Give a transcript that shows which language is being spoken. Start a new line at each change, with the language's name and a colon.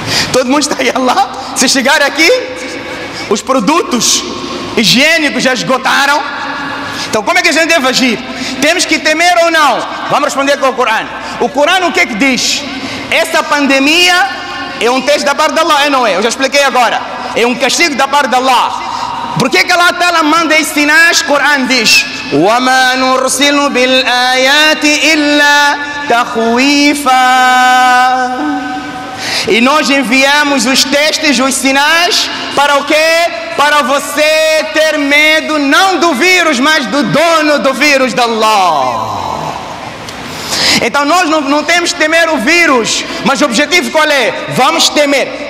Portuguese: Todo mundo está aí lá, se chegar aqui... Os produtos higiênicos já esgotaram. Então, como é que a gente deve agir? Temos que temer ou não? Vamos responder com o Corão. O Corão o que é que diz? Essa pandemia é um teste da parte de Allah, é, não é? Eu já expliquei agora. É um castigo da parte de Allah. Por que que Allah manda esses sinais? O Corão diz:
Arabic: وَمَا نُرْسِلُ بِالْآيَاتِ إِلَّا تَخْوِيفًا.
Portuguese: E nós enviamos os testes, os sinais, para o quê? Para você ter medo, não do vírus, mas do dono do vírus, da Allah. Então nós não temos que temer o vírus, mas o objetivo qual é? Vamos temer.